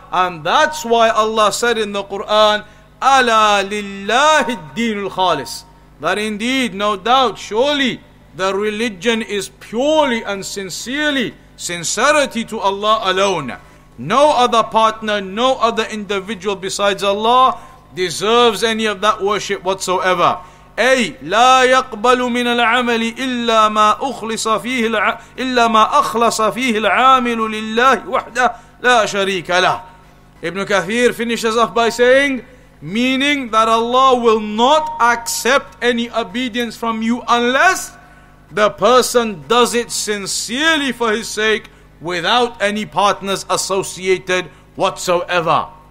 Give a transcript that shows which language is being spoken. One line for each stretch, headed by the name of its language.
English: And that's why Allah said in the Quran,
Arabic: Ala lillahi ad-deenul khalis.
English: That indeed, no doubt, surely, the religion is purely and sincerely, sincerity to Allah alone. No other partner, no other individual besides Allah deserves any of that worship whatsoever.
Arabic: أي لا يقبل من العمل إلا ما أخلص فيه إلا ما أخلص فيه العامل لله وحده لا شريك له.
English: Ibn Kathir finishes off by saying, meaning that Allah will not accept any obedience from you unless the person does it sincerely for his sake without any partners associated whatsoever.